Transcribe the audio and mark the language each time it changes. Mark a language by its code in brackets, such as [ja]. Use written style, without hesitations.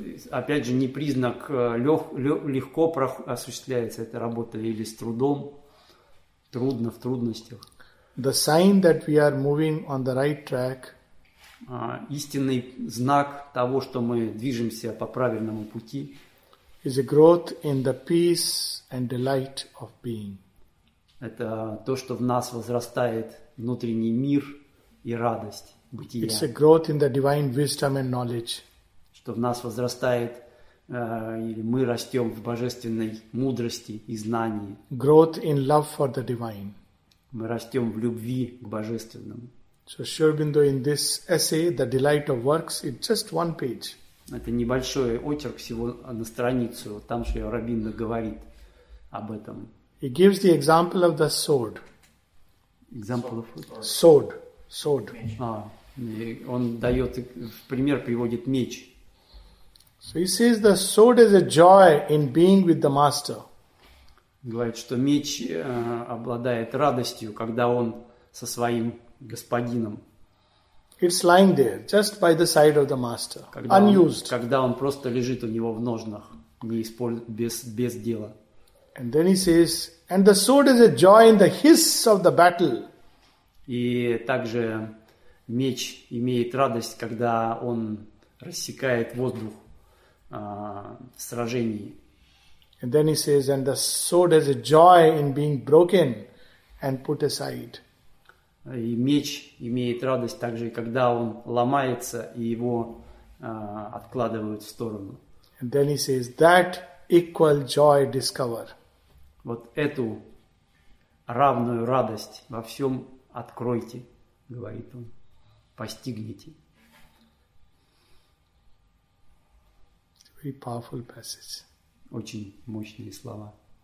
[ru] Опять же, не признак легко осуществляется эта работа или с трудом, трудно, в трудностях. [en] The sign that we are moving on the right track. [ru] Истинный знак того, что мы движемся по правильному пути, [en] is a growth in the peace and delight of being. [ru] Это то, что в нас возрастает внутренний мир и радость бытия. [en] It's a growth in the divine wisdom and knowledge. [ru] Что в нас возрастает, или мы растем в божественной мудрости и знании. [en] Growth in love for the divine. [ru] Мы растем в любви к божественному. [en] So Sri Aurobindo in this essay, The Delight of Works, it's just one page. [ru] Это небольшой очерк, всего на страницу, там Шри Аурабиндо говорит об этом. [en] He gives the example of the sword. Example of sword. Sword. [ru] Он дает, в пример приводит меч. [en] So he says the sword is a joy in being with the master. [ru] Говорит, что меч обладает радостью, когда он со своим господином. [en] It's lying there, just by the side of the master, [ru] когда [en] unused. [ru] Он, когда он просто лежит у него в ножнах, не используя, без дела. [en] And then he says, and the sword is a joy in the hiss of the battle. [ru] И также меч имеет радость, когда он рассекает воздух в сражении. [en] And then he says, and the sword has a joy in being broken and put aside. [ru] И меч имеет радость также, когда он ломается и его откладывают в сторону. [en] And then he says, that equal joy discover. [ru] Вот эту равную радость во всем откройте, говорит он, постигните. [en] Very powerful passage. [ru] Очень мощные слова.